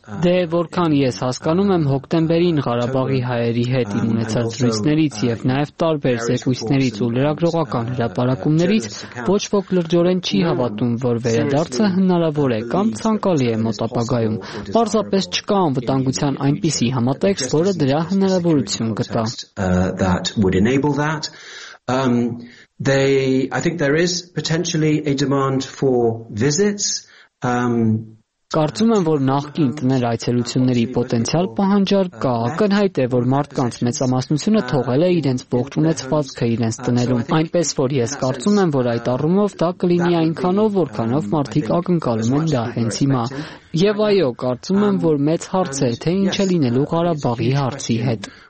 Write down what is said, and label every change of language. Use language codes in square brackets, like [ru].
[hy] Դե որքան ես հասկանում եմ հոկտեմբերին Ղարաբաղի հայերի հետ իմ ունեցած զրույցներից եւ նաեւ տարբեր զեկույցներից ու լրագրողական հրապարակումներից, ոչ ոք լրջորեն չի հավատում, որ վերադարձը հնարավոր է կամ ցանկալի է մոտ ապագայում։ Պարզապես չկա անվտանգության այնպիսի համատեքստ, որը դրա հնարավորություն կտա։ [en] That would enable that. I think there is potentially a demand for visits. [hy] Կարծում եմ, որ նախկին տներ այցելությունների պոտենցիալ պահանջարկ կա, ակնհայտ է, որ մարդկանց մեծամասնությունը թողել է իրենց ողջ ունեցվածքը իրենց տներում, այնպես որ ես կարծում եմ, որ այդ առումով դա կլինի այնքանով, որքանով մարդիկ ակնկալում են դա հենց հիմա, եւ այո, կարծում եմ, որ մեծ հարց է, թե ինչ է լինելու Ղարաբաղի հարցի հետ.